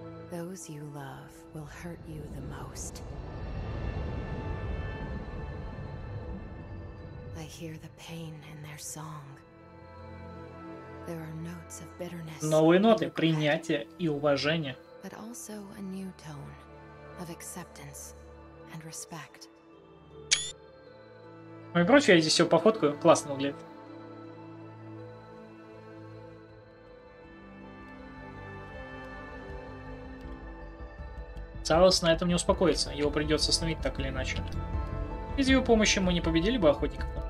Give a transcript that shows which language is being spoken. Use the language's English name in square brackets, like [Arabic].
[English] Those you love will hurt you the most. I hear the pain in their song. There are notes of bitterness. [Russian] Новые ноты принятия и уважения. [English] But also a new tone of acceptance and respect. [Russian] Ну и прочее, я здесь все пофоткаю. Классно выглядит. Целос на этом не успокоится. Его придется остановить так или иначе. Без его помощи мы не победили бы охотников.